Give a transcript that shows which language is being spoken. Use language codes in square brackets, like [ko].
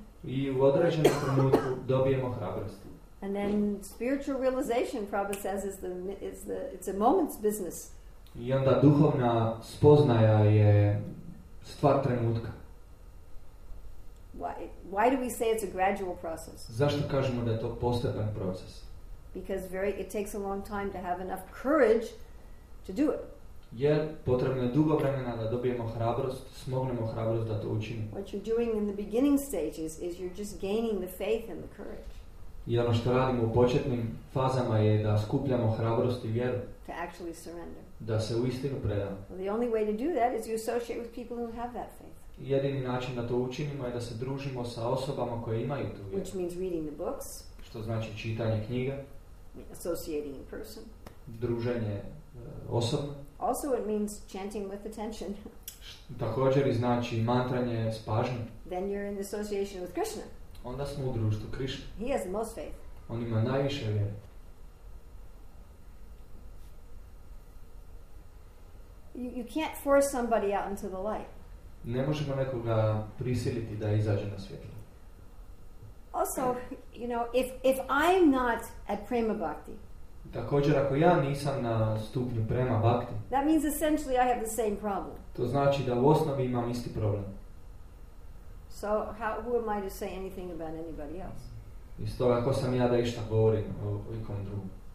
[hr] I u određenom trenutku dobijemo hrabrost. [en] And then spiritual realization, Prabhupada says, it's a moment's business. [hr] I onda duhovna spoznaja je stvar trenutka. [en] Why do we say it's a gradual process? [hr] Zašto kažemo da je to postepen proces? [en] Because it takes a long time to have enough courage to do it. [hr] Jer potrebno je dugo vremena da dobijemo hrabrost, smognemo hrabrost da to učinimo. [en] What you're doing in the beginning stages is you're just gaining the faith and the courage. [hr] I ono što radimo u početnim fazama je da skupljamo hrabrost i vjeru. [en] To actually surrender. [hr] Da se uistinu predamo. [en] Well, the only way to do that is you associate with people who have that faith. [hr] Jedini način da to učinimo je da se družimo sa osobama koje imaju tu vjeru. [en] Which means reading the books. [hr] Što znači čitanje knjiga. [en] Associating in person. [hr] Druženje osobno. [en] Also it means chanting with attention. [hr] Također i znači mantranje s pažnjom. [en] Then you're in association with Krishna. [hr] Onda smo u društvu Krishna. [en] He has the most faith. [hr] On ima najviše vjere. [en] You can't force somebody out into the light. [hr] Ne možemo nekoga prisiliti da izađe na svjetlo. [en] Also, you know, if I'm not at prema bhakti. [hr] Također ako ja nisam na stupnju prema bhakti. [en] That means essentially I have the same problem. [hr] To znači da u osnovi imam isti problem. [en] So who am I to say anything about anybody else? [hr] I stoga ako sam ja da išta govorim o ikom drugom.